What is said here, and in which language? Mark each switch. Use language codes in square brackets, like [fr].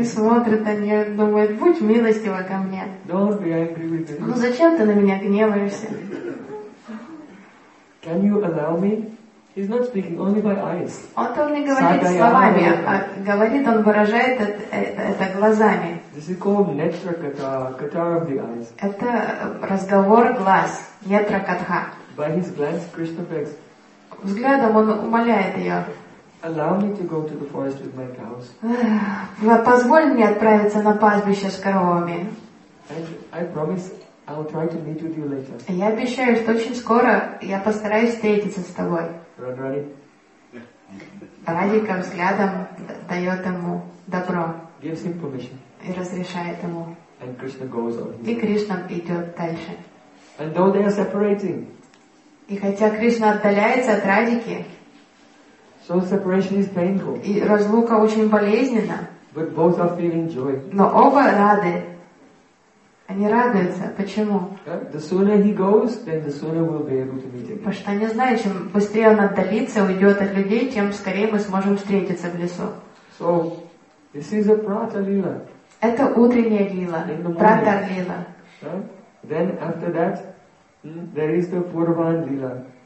[ru] И смотрит на нее, думает, будь милостива ко мне. [en] Don't be angry with me. [ru] Ну зачем ты на меня гневаешься? [en] Can you allow me? He's not speaking only by eyes. [ru] Он там не говорит словами, а говорит, он выражает это глазами. [en] This is called netra katha, katha of the eyes. [ru] Это разговор глаз, netra katha. [en] By his glance, Krishna begs. [ru] Взглядом он умоляет ее. [en] Allow me to go to the forest with my cows. [ru] Позволь мне отправиться на пастбище с коровами. [en] I promise I'll try to meet with you later. [ru] Я обещаю, что очень скоро я постараюсь встретиться с тобой. Радхари. Радхика взглядом дает ему добро. [en] Gives him permission. [ru] И разрешает ему. [en] And Krishna goes on. [ru] И Кришна идет дальше. [en] And though they are separating. [ru] И хотя Кришна отдаляется от Радхики. [en] So separation is painful. [ru] И разлука очень болезненна. [en] But both are feeling joy. [ru] Но оба рады. Они радуются. Почему? [en] The sooner he goes, then the sooner we'll be able to meet again. [ru] Потому что они знают, чем быстрее он отдалится, уйдет от людей, тем скорее мы сможем встретиться в лесу. [en] So, this is a prata lila. [ru] Это утренняя лила, прата лила. [en] Then after that, there is the purvan lila.